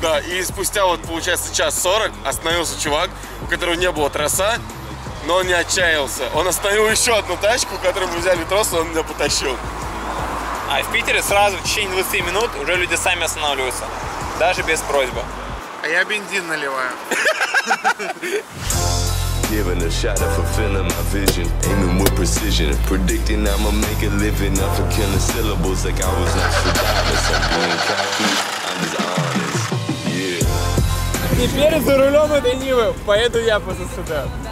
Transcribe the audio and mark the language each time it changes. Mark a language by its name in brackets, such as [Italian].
[Russian] Да, и спустя вот получается час 40 остановился чувак, у которого не было троса, но он не отчаялся. Он остановил еще одну тачку, которую мы взяли трос, и он меня потащил. А в Питере сразу в течение 20 минут уже люди сами останавливаются, даже без просьбы. А я бензин наливаю. [English] Giving a shot of fulfilling my vision, aiming with precision, predicting I'ma make a living off of killing syllables like I was not surviving. So I'm cocky, I'm just honest. Yeah. [Russian] Теперь за рулем этой Нивы поеду я по ЗСД.